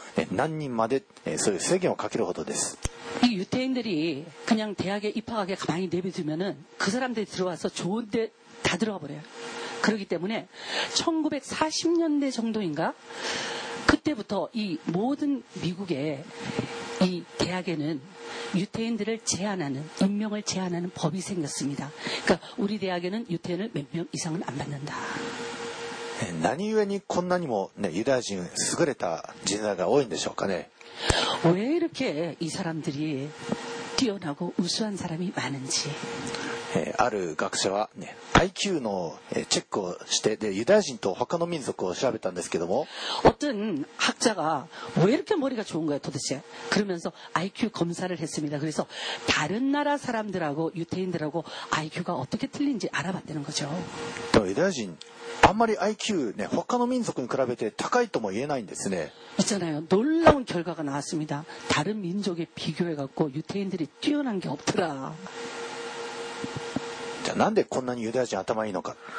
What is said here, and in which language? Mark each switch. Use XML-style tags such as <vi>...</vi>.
<ja>アメリカなどの有名な大学、もう本当に超名門と言われる大学は、ほとんどユダ人があまりにも頭がいいからユダ人ばっかりになってしまうので、大学の入学制限でユダ人は何人までそういう制限をかけるほどです。</ja> <ko>이 유태인들이 그냥 대학에 입학하게 가만히 내버려두면은 그 사람들이 들어와서 좋은 데 다 들어가 버려요. 그렇기 때문에 1940년대 정도인가 그때부터 이 모든 미국의 이 대학에는 유태인들을 제한하는 임명을 제한하는 법이 생겼습니다. 그러니까 우리 대학에는 유태인을 몇 명 이상은 안 받는다.</ko> <ja>何故にこんなにもユダヤ人優れた人材が多いんでしょうかね。</ja> <ko>왜 이렇게 이 사람들이 뛰어나고 우수한 사람이 많은지. 어떤 IQ의 체크를 유대인과 다른 민족을</ko> <ja>調べたんですけども</ja> <ko>어떤 학자가 왜 이렇게 머리가 좋은 거야 도대체? 그러면서 IQ 검사를 했습니다. 그래서 다른 나라 사람들하고 유태인들하고 IQ가 어떻게 틀린지 알아봤다는 거죠. 유대인 아무리</ko> <ja>IQ 他の民族に比べて高いとも言えないんですね。</ja> <ko>있잖아요. 놀라운 결과가 나왔습니다. 다른 민족에 비교해 갖고 유태인들이 뛰어난 게 없더라. 자, 난데</ko> <ja>こんなに 유대인 頭いいのか?</ja>